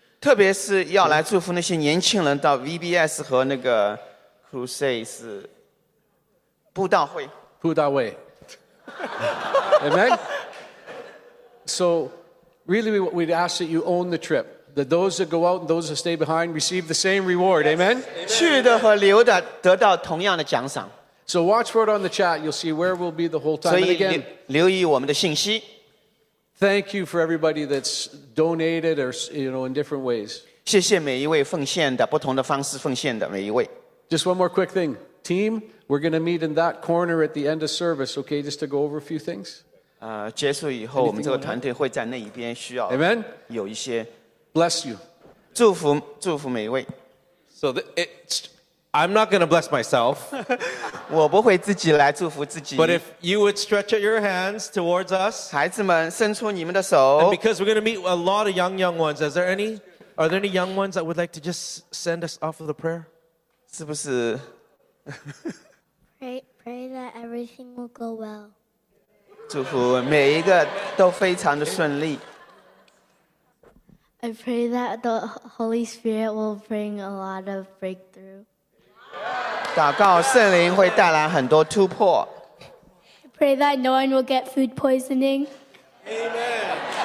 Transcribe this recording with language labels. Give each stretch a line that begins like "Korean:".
Chinese: 特别是要来祝福那些年轻人到VBS和那个Crusade是布道会。布道会。
English: Amen. So, really, we'd ask that you own the trip. That those that go out and those that stay behind receive the same reward. Yes. Amen.
Chinese: 去的和留的得到同样的奖赏。
English: So watch for it on the chat. You'll see where we'll be the whole time. And again,
Chinese: 留意我们的信息。
English: Thank you for everybody that's donated or in different ways.
Chinese: 谢谢每一位奉献的不同的方式奉献的每一位。
English: Just one more quick thing. Team, we're going to meet in that corner at the end of service, okay, just to go over a few things.
Chinese: 结束以后，我们这个团队会在那一边需要。Amen. 有一些
English: bless you.
Chinese: 祝福每一位.
English: So I'm not going to bless myself.
Chinese: 我不会自己来祝福自己.
English: But if you would stretch out your hands towards us.
Chinese: 孩子们伸出你们的手.
English: And because we're going to meet a lot of young ones, are there any young ones that would like to just send us off of the prayer?
Chinese: 是不是?
English: pray that everything will go well.
Chinese: 祝福每一个都非常的顺利。
English: I pray that the Holy Spirit will bring a lot of breakthrough.
Chinese: 祷告圣灵会带来很多突破。
English: I pray that no one will get food poisoning. Amen.